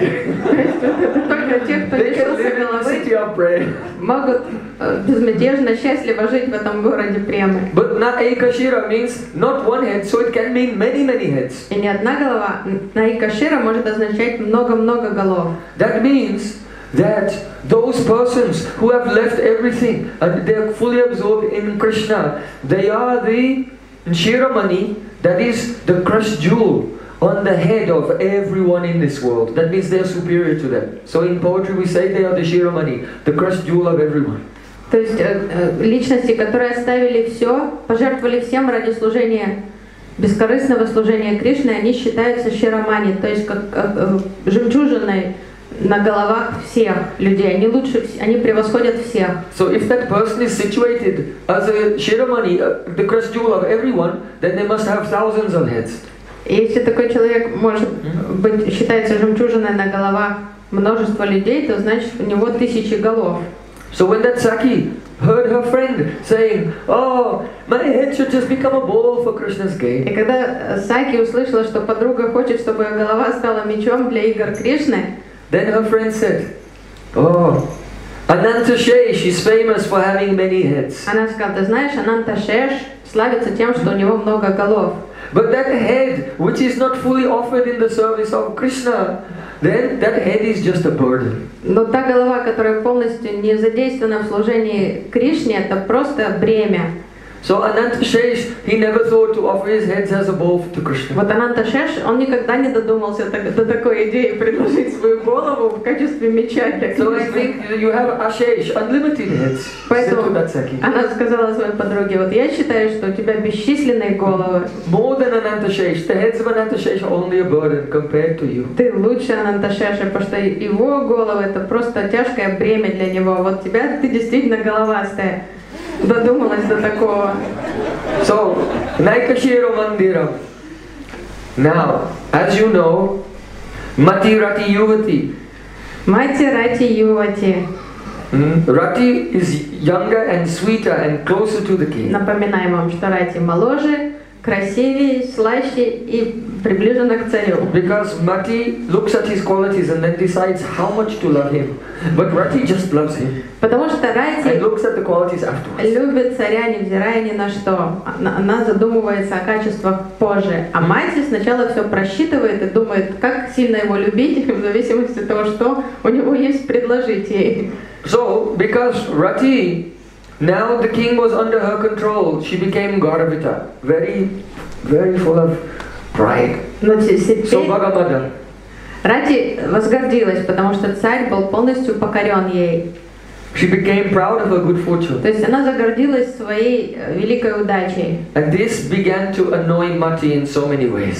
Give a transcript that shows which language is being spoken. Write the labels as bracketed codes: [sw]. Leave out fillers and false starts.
[en] They can live in the city of Prem. [ru] Могут безмятежно счастливо жить в этом городе Премы. [en] But Naikashira means not one head, so it can mean many, many heads. [ru] И не одна голова. Naikashira может означать много-много голов. [en] That means that those persons who have left everything and they are fully absorbed in Krishna, they are the Shiramani, that is the crushed jewel on the head of everyone in this world. That means they are superior to them. So in poetry we say they are the Shiramani, the crushed jewel of everyone. [ru] То есть личности, которые оставили все, пожертвовали всем ради служения, бескорыстного служения Кришны, они считаются Shiramani, то есть как жемчужиной на головах всех людей. Они лучше, они превосходят всех. [en] So if that person is situated as a Shiramani, the crushed jewel of everyone, then they must have thousands of heads. [ru] Если такой человек может быть считается жемчужиной на головах множества людей, то значит у него тысячи голов. [en] So when that Saki heard her friend saying, oh, my head should just become a ball for Krishna's game. [ru] И когда Саки услышала, что подруга хочет, чтобы ее голова стала мечом для игр Кришны, [en] then her friend said, oh, Ananta Shesh is famous for having many heads. [ru] Она сказала, ты знаешь, Ананта Шеш славится тем, что у него много голов. [en] But that head, which is not fully offered in the service of Krishna, then that head is just a burden. [ru] Но та голова, которая полностью не задействована в служении Кришне, это просто бремя. [en] So Ananta Shesh, he never thought to offer his head as a bowl to Krishna. [ru] Вот Ананта Шеш, он никогда не додумался до такой идеи предложить свою голову в качестве меча для Кришны. [en] So I think you have Ashesh, unlimited heads. [ru] Поэтому она сказала своей подруге, вот я считаю, что у тебя бесчисленные головы. [en] More than Ananta Shesh, the heads of Ananta Shesh are only a burden compared to you. [ru] Ты лучше Ананта Шеша, потому что его головы это просто тяжкое бремя для него. Вот тебя ты действительно головастая. додумалась до такого. [en] So, Naikashiro Mandira. Now, as you know, Mati Rati Yuvati. [sa] Mati Rati Yuvati. [en] Rati is younger and sweeter and closer to the king. [ru] Напоминаю вам, что Рати моложе, красивее, слаще и приближена к царю. [en] Because Mati looks at his qualities and then decides how much to love him. But Rati just loves him. [ru] Потому что Рати [en] looks at the qualities afterwards. [ru] Любит царя, невзирая ни на что. Она задумывается о качествах позже. А Мати сначала все просчитывает и думает, как сильно его любить, в зависимости от того, что у него есть предложить ей. [en] So, because Rati, now the king was under her control, she became garbhita, very, very full of pride. [ru] Но теперь [en] so, Bhagavata. [ru] Rati возгордилась, потому что царь был полностью покорен ей. [en] She became proud of her good fortune. [ru] То есть она загордилась своей великой удачей. [en] And this began to annoy Mati in so many ways.